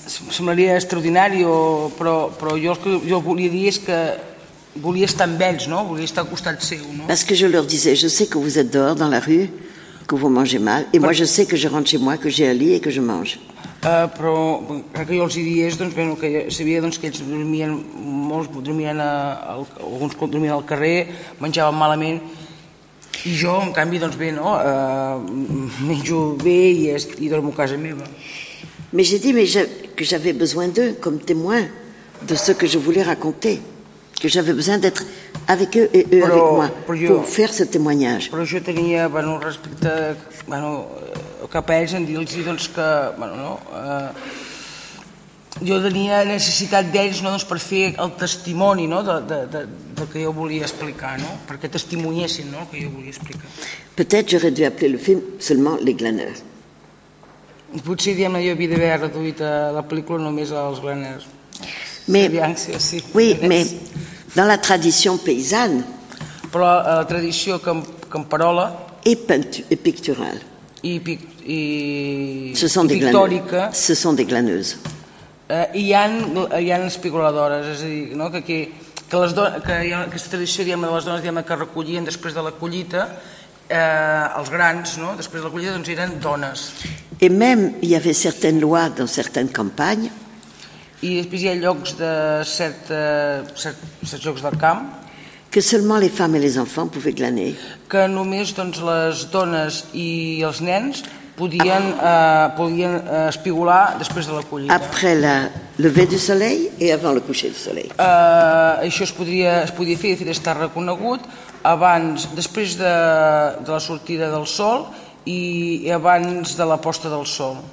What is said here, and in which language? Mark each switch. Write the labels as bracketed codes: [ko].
[ca] Semblaria extraordinari, però jo el que jo volia dir és que volia estar amb ells, no? Volia estar al costat seu, no? [fr] Parce que je leur disais, je sais que vous êtes dehors dans la rue, que vous mangez mal, et moi je sais que je rentre chez moi, que j'ai un lit et que je mange. [ca] Però crec que jo els hi diés, doncs, bueno, que sabia doncs, que ells dormien, molts dormien, alguns dormien al carrer, menjaven malament, i jo, en canvi, doncs bé, no? Menjo bé i dormo a casa meva. [fr] Mais j'ai dit que j'avais besoin d'eux comme témoins de ce que je voulais raconter. Que j'avais besoin d'être avec eux et eux avec moi pour faire ce témoignage. [ca] Però jo tenia, bueno, respecte, bueno, cap a ells, en dir-los, doncs, que, bueno, no, jo tenia necessitat d'ells, no, doncs, per fer el testimoni, no, del que jo volia explicar, no, perquè testimoniessin, no, el que jo volia explicar. [fr] Peut-être j'aurais dû appeler le film seulement Les Glaneurs. [ca] Potser, diguem-ne, jo havia d'haver reduït la pel·lícula només als glaners. [fr] Oui, mais dans la tradition paysanne... [ca] Però la tradició camperola... [fr] Et pictural. [ca] I pictòrica. [fr] Ce sont des glaneuses. [ca] Hi han espigoladores, és a dir, no? que les dones, que hi ha aquesta tradició, diguem-ne, de les dones, diguem-ne, que recollien després de la collita, els grans, no? Després de la collita, doncs eren dones. [fr] Et même, il y avait certaines lois dans certaines campagnes. [ca] I després hi ha llocs de certs llocs del camp. [fr] Que seulement les femmes et les enfants pouvaient glaner. [ca] Que només doncs, les dones i els nens podien espigolar després de la collita. [fr] Après le lever du soleil et avant le coucher du soleil. [ca] Això es podia fer, de fet, estar reconegut abans, després de la sortida del sol i abans de la posta del sol.